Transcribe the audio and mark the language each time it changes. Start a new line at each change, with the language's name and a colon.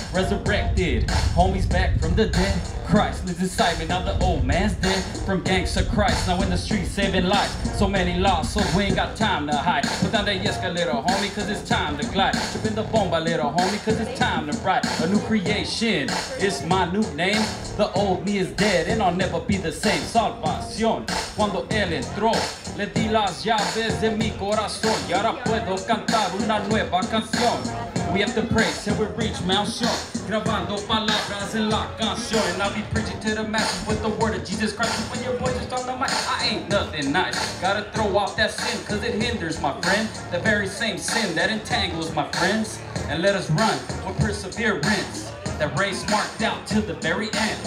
English: Resurrected, homies back from the dead. Christ lives inside me, now the old man's dead. From gangster Christ, now in the street saving lives. So many lost, so we ain't got time to hide. Put down that yesca, little homie, cause it's time to glide. Tripping the bomba, little homie, cause it's time to ride. A new creation, it's my new name. The old me is dead and I'll never be the same.
Spanish: Salvación, cuando él entró, le di las llaves de mi corazón. Y ahora puedo cantar una nueva canción.
English: We have to pray till we reach Mount Sion.
Spanish: Grabando palabras en la canción.
English: And I'll be preaching to the masses with the word of Jesus Christ. When your voice is on the mic, I ain't nothing nice. Gotta throw off that sin cause it hinders my friend. The very same sin that entangles my friends. And let us run with perseverance. That race marked out till the very end.